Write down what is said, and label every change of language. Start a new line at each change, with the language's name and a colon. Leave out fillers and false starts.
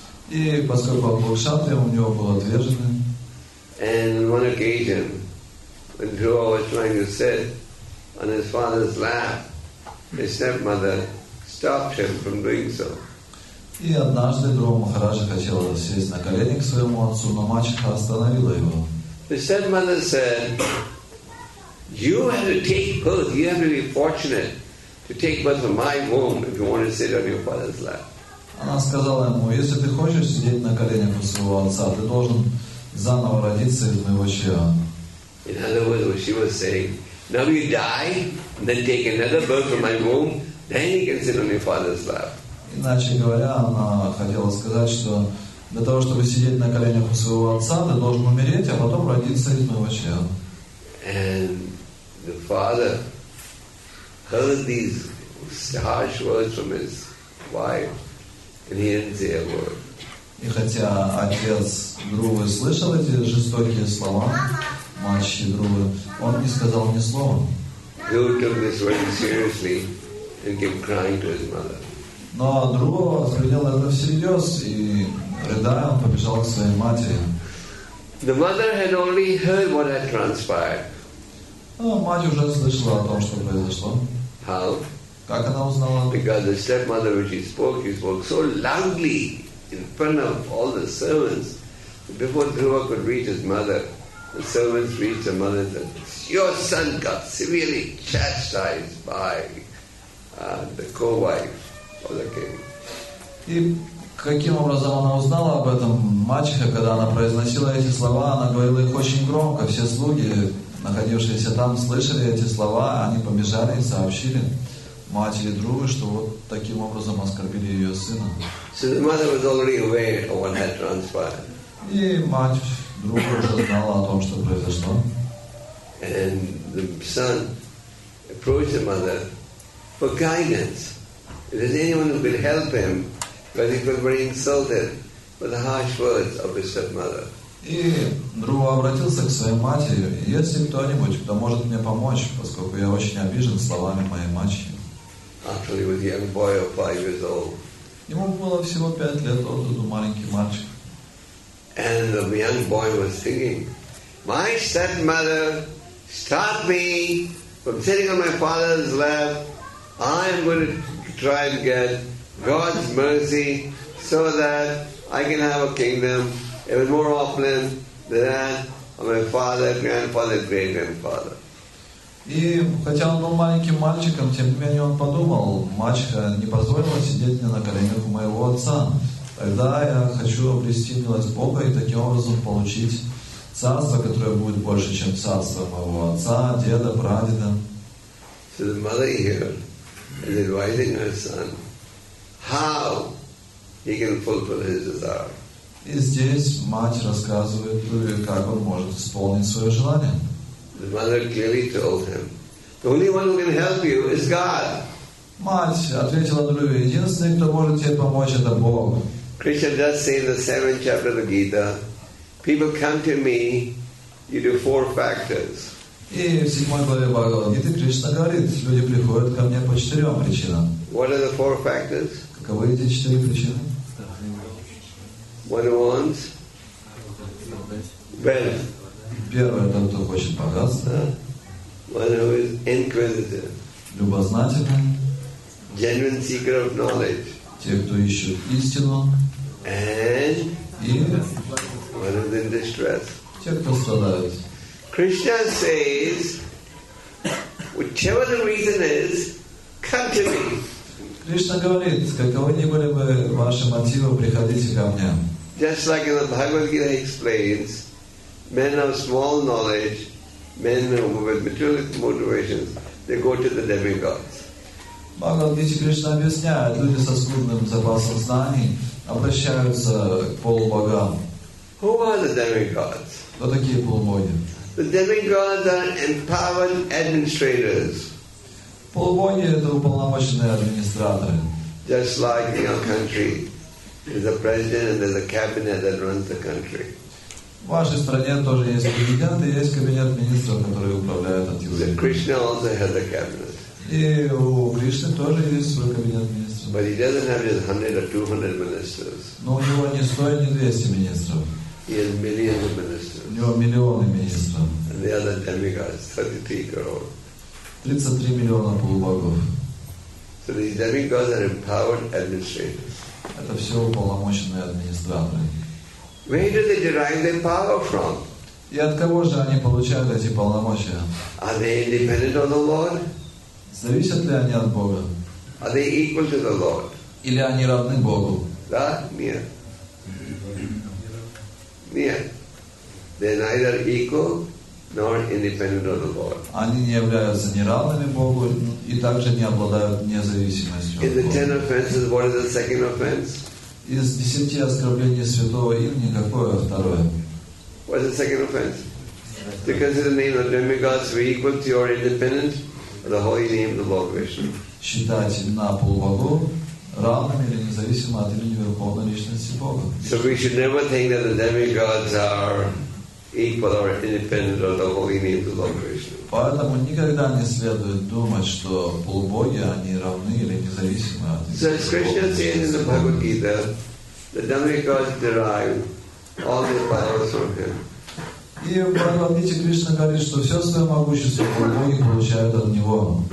Russian: И поскольку он был кшатрием, у него было 2 жены.
English: And on one occasion, when Druva was trying to sit on his father's lap, his stepmother stopped him from doing so.
Russian: И однажды Друва Махараджа хотел сесть на колени к своему отцу, но мачеха остановила его.
English: The stepmother said, "You have to take birth. You have to be fortunate to take birth from my womb if you want to sit on your father's lap."
Russian: Она сказала ему, если ты хочешь сидеть на коленях у своего отца, ты должен заново родиться из моего чрева.
English: In other words, what she was saying, "Now you die, then take another birth from my womb, then you can sit on your father's lap."
Russian: Иначе говоря, она хотела сказать, что для того, чтобы сидеть на коленях у своего отца, ты должен умереть, а потом родиться из моего чрева.
English: And the father heard these harsh words from his wife, and he didn't say a word.
Russian: И хотя отец Друвы слышал эти жестокие слова, мальчик Друвы, он не сказал ни слова.
English: who took this very seriously and came crying to his mother.
Russian: Но другого воспринял это всерьез и рыдая он побежал к своей матери.
English: The mother had only heard what had transpired.
Russian: Мать уже слышала о том, что произошло.
English: How?
Russian: Как она узнала?
English: Because the stepmother, when she spoke so loudly in front of all the servants, before Dhruva could reach his mother, the servants reached the mother and said, "Your son got severely chastised by the co-wife of the king."
Russian: И каким образом она узнала об этом? Мачеха, когда она произносила эти слова, она говорила их очень громко. Все слуги, находившиеся там, слышали эти слова, они побежали и сообщили матери Друвы, что вот таким образом оскорбили ее сына.
English: So the mother was already aware of what had transpired.
Russian: И мать Друвы уже знала о том, что произошло.
English: And the son approached the mother for guidance. If there's anyone who could help him, but he was very insulted by the harsh words of his stepmother.
Russian: И Друва обратился к своей матери: если кто-нибудь, кто может мне помочь, поскольку я очень обижен словами моей матери.
English: Actually, he was a young boy of 5 years old.
Russian: Ему было всего 5 лет, он был маленький мальчик.
English: And the young boy was thinking, "My stepmother stopped me from sitting on my father's lap. I am going to try and get God's mercy so that I can have a kingdom." It was more often than that of my father, grandfather, great grandfather.
Russian: И хотя он был маленьким мальчиком, тем не менее он подумал: мачеха не позволила сидеть мне на коленях у моего отца. Тогда я хочу обрести милость Бога и таким образом получить царство, которое будет больше, чем царство моего отца, деда, прадеда.
English: So the mother here is advising her son how he can fulfill his desire.
Russian: И здесь мать рассказывает Друве, как он может исполнить свое желание.
English: The mother clearly told him, "The only one who can help you is God."
Russian: Мать ответила Друве: единственный, кто может тебе помочь, это Бог.
English: Krishna does say in the 7th chapter of the Gita, "People come to me, you do 4 factors."
Russian: И в 7 главе Бхагавад Гиты Кришна говорит: люди приходят ко мне по 4 причинам.
English: What are the 4 factors?
Russian: Каковы эти 4 причины?
English: One wants wealth.
Russian: Первое, это кто хочет богатства.
English: One who is inquisitive.
Russian: Любознательный.
English: Genuine seeker of knowledge.
Russian: Те, кто ищут истину.
English: And
Russian: и
English: one who is in distress.
Russian: Те, кто страдает.
English: Krishna says, whichever the reason is, come to me.
Russian: Кришна говорит: каковы ни были бы ваши мотивы, приходите ко мне.
English: Just like in the Bhagavad Gita explains, men of small knowledge, men with materialistic motivations, they go to the demigods.
Russian: Bhagavad Gita Krishna объясняет, люди со скудным запасом знаний обращаются к полубогам.
English: Who are the demigods?
Russian: Кто такие полубоги?
English: The demigods are empowered administrators.
Russian: Полубоги — это уполномоченные администраторы.
English: Just like in your country, there's a president and there's a cabinet that runs the country.
Russian: В вашей стране тоже есть президент и есть кабинет министров, которые управляют от юга.
English: Krishna also has a cabinet.
Russian: И у Кришны тоже есть свой кабинет министров.
English: But he doesn't have just 100 or 200 ministers.
Russian: Но у него не 100, не 200 министров.
English: He has millions of ministers.
Russian: У него миллионы министров.
English: And the other demigods, 33 crore.
Russian: 33 миллиона полубогов.
English: So these demigods are empowered administrators.
Russian: Это все уполномоченные администраторы.
English: Where do they derive their power from?
Russian: И от кого же они получают эти полномочия?
English: Are they independent of the Lord?
Russian: Зависят ли они от Бога?
English: Are they equal to the Lord?
Russian: Или они равны Богу? Да? Нет. Нет.
English: They're neither equal nor independent of the Lord.
Russian: Они не являются ни равными Богу и также не обладают независимостью.
English: In the 10 offenses, what is the 2nd offense?
Russian: Из 10 оскорблений святого имени какое второе?
English: What is the 2nd offense? To consider the name of demigods to be equal to or independent of the holy name of the Lord Krishna.
Russian: Считать имена полубогов равными или независимо от имени Верховной Личности Бога.
English: So we should never think that the demigods are и подавать independence от Holy Name to Lord Krishna.
Russian: Поэтому никогда не следует думать, что полубоги они равны или независимы от Бога. И в Бхагавад-гите Кришна говорит, что все свое могущество полубоги получают от Него.